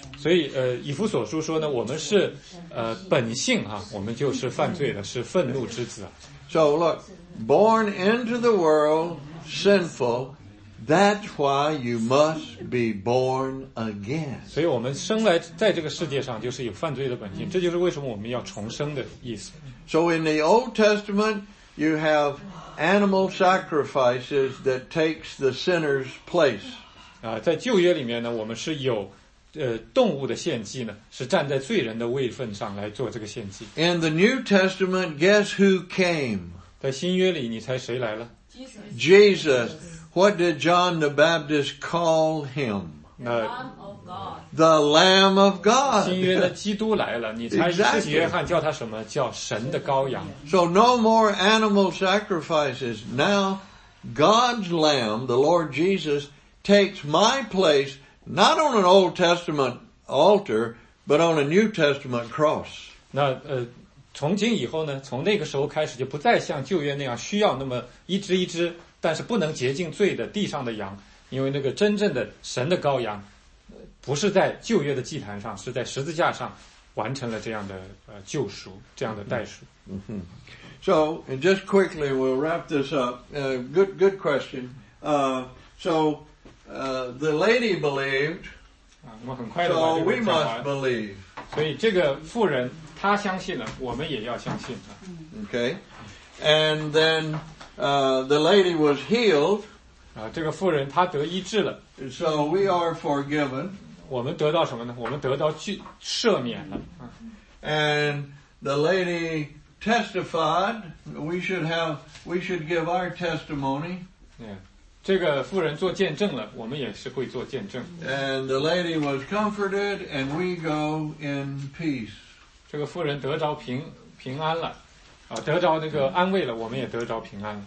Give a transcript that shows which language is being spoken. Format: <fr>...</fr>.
<zh>所以以弗所书说呢我们是本性啊我们就是犯罪的是愤怒之子。</zh> <en>So look, born into the world, sinful,That's why you must be born again.</en> <zh>所以我们生来在这个世界上就是有犯罪的本性，这就是为什么我们要重生的意思。</zh> <en>So in the Old Testament, you have animal sacrifices that takes the sinner's place.</en> <zh>在旧约里面呢，我们是有动物的献祭呢，是站在罪人的位份上来做这个献祭。</zh> <en>In the New Testament, guess who came?</en> <zh>在新约里，你猜谁来了？</zh> <en>Jesus. What did John the Baptist call him? The Lamb of God. The Lamb of God.</en> <zh>新约的基督来了，你猜是约翰叫他什么？叫神的羔羊。</zh> <en>So no more animal sacrifices. Now God's Lamb, the Lord Jesus, takes my place not on an Old Testament altar, but on a New Testament cross.</en> <zh>那从今以后呢？从那个时候开始，就不再像旧约那样需要那么一只一只。但是不能洁净罪的地上的羊因为那个真正的神的羔羊不是在旧约的祭坛上是在十字架上完成了这样的救赎这样的代赎、 mm-hmm.</zh> <en>So and just quickly we'll wrap this up good question So the lady believed</en> <zh>我很快的</zh> <en>So we must believe</en> <zh>所以这个妇人她相信了我们也要相信</zh> <en>Okay And thenthe lady was healed.</en> <zh>这个妇人她得医治了。</zh> <en>So we are forgiven.</en> <zh>我们得到什么呢？我们得到赦免了。</zh> <en>And the lady testified. We should give our testimony. Yeah.</en> <zh>这个妇人做见证了，我们也是会做见证。</zh> <en>And the lady was comforted, and we go in peace.</en> <zh>这个妇人得着平安了。得着那个安慰了，我们也得着平安了。</zh>